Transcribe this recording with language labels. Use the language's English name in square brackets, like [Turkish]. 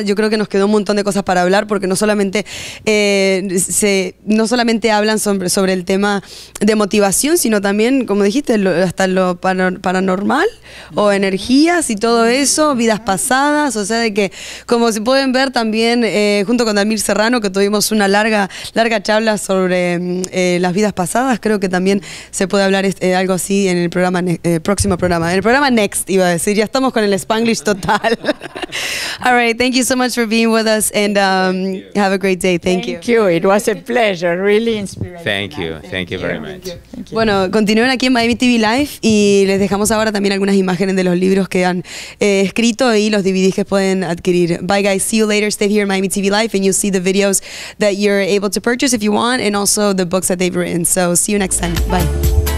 [Spanish] Yo creo que nos quedó un montón de cosas para hablar porque no solamente hablan sobre el tema de motivación, sino también, como dijiste, hasta lo paranormal o energías y todo eso, vidas pasadas. O sea, de que, como se pueden ver también, junto con Damir Serrano, que tuvimos una larga charla sobre las vidas pasadas, creo que también se puede hablar algo así en el programa, próximo programa, en el programa Next, iba a decir, ya estamos con el Spanglish total. [English] All right, thank you so much for being with us and have a great day. Thank you. It was a pleasure, really inspiring. Thank you very much. Thank you. [Spanish] Bueno, continúen aquí en Miami TV Live y les dejamos ahora también algunas imágenes de los libros que han escrito y los DVDs que pueden adquirir. [English] Bye guys, see you later. Stay here in Miami TV Live and you'll see the videos that you're able to purchase if you want and also the books that they've written. So see you next time. Bye.